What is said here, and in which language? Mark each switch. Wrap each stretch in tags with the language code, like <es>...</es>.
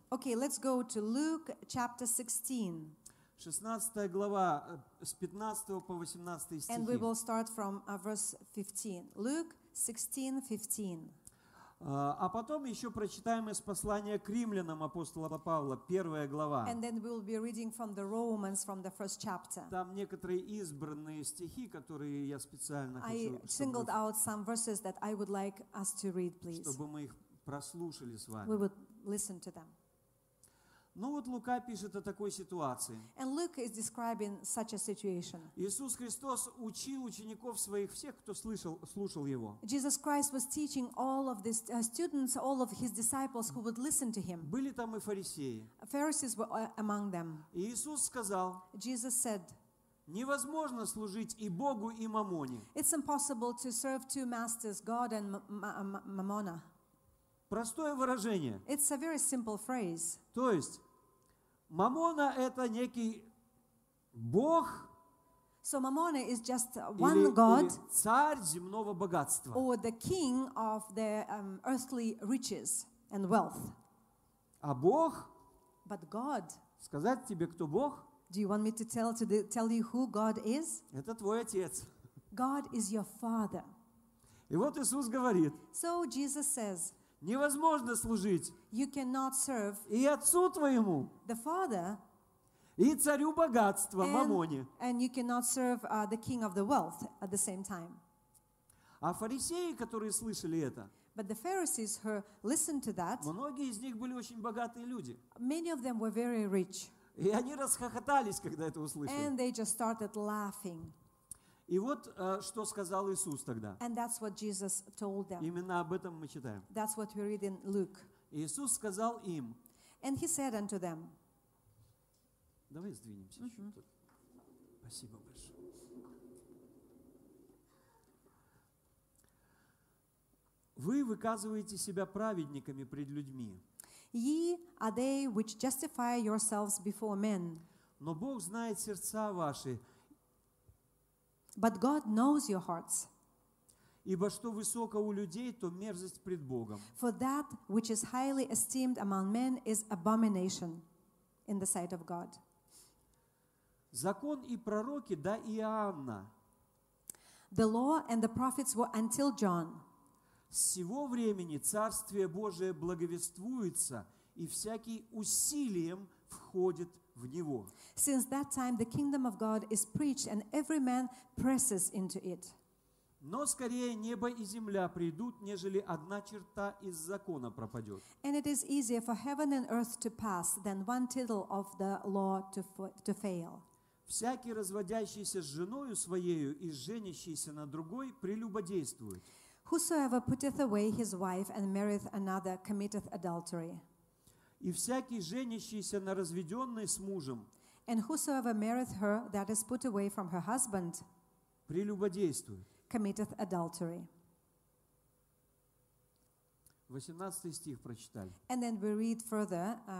<en>Okay, let's go to Luke chapter 16.</en> <ru>16 глава, с 15 по 18 стихи.</ru> <en>And we will start from verse 15. Luke 16, 15.</en> <ru>А потом еще прочитаем из послания к римлянам апостола Павла, первая глава.</ru> <en>And then we'll be reading from the Romans from the first chapter.</en> <ru>Там некоторые избранные стихи, которые я специально хочу, чтобы...</ru> <en>I singled out some verses that I would like us to read, please.</en> <ru>Чтобы мы их прослушали с вами.</ru> <en>We would listen to them.</en> <ru>Ну вот Лука пишет о такой ситуации.</ru> <en>And Luke is describing such a situation.</en> <ru>Иисус Христос учил учеников своих, всех, кто слушал Его.</ru> <en>Jesus Christ was teaching all of the students, all of His disciples who would listen to Him.</en> <ru>Были там и фарисеи.</ru> <en>Pharisees were among them.</en> <ru>И Иисус сказал,</ru> <en>Jesus said,</en> <ru>невозможно служить и Богу, и Мамоне.</ru> <en>It's impossible to serve two masters, God and Mammona.</en> <ru>Простое выражение.</ru> <en>It's a very simple phrase.</en> <ru>То есть, Мамона – это некий бог,</ru> <en>so Mammona is just one god,</en> <ru>или царь земного богатства.</ru> <en>Or the king of the earthly riches and wealth.</en> <ru>А бог?</ru> <en>But God,</en> <ru>сказать тебе, кто бог?</ru> <en>Do you want me to tell you who God is?</en> <ru>Это твой отец.</ru> <en>God is your father.</en> <ru>И вот Иисус говорит,</ru> <en>so Jesus says,</en> <ru>невозможно служить</ru> <en>you cannot serve</en> <ru>и Отцу Твоему,</ru> <en>the Father,</en> <ru>и Царю Богатства, Мамоне.</ru> <en>And you cannot serve the King of the Wealth at the same time.</en> <ru>А фарисеи, которые слышали это,</ru> <en>but the Pharisees who listened to that,</en> <ru>многие из них были очень богатые люди.</ru> <en>Many of them were very rich.</en> <ru>И они расхохотались, когда это услышали.</ru> <en>And they just started laughing.</en> <ru>И вот что сказал Иисус тогда.</ru> <en>And that's what Jesus told them.</en> <ru>Именно об этом мы читаем.</ru> <en>That's what we read in Luke.</en> <ru>Иисус сказал им.</ru> <en>And he said unto them.</en> <ru>Давай сдвинемся чуть-чуть. Спасибо большое. Вы выказываете себя праведниками пред людьми.</ru> <en>Ye are they which justify yourselves before men.</en> <ru>Но Бог знает сердца ваши.</ru> <en>But God knows your hearts.</en> <ru>Ибо что высоко у людей, то мерзость пред Богом.</ru> <en>For that which is highly esteemed among men is abomination in the sight of God.</en> <ru>Закон и пророки до Иоанна.</ru> <en>The law and the prophets were until John.</en> <ru>С сего времени Царствие Божие благовествуется, и всякий усилием входит в Него.</ru> <en>Since that time the kingdom of God is preached, and every man presses into it.</en> <ru>Но скорее небо и земля придут, нежели одна черта из закона пропадет.</ru> <en>And it is easier for heaven and earth to pass than one tittle of the law to fail.</en> <ru>Всякий, разводящийся с женою своею и женящийся на другой, прелюбодействует.</ru> <en>Whosoever putteth away his wife and marrieth another committeth adultery.</en> <ru>И всякий, женящийся на разведенной с мужем,</ru> <en>and whosoever marrieth her that is put away from her husband,</en> <ru>прелюбодействует,</ru> <en>committeth adultery.</en> <ru>18 стих прочитали.</ru> <en>And then we read further.</en>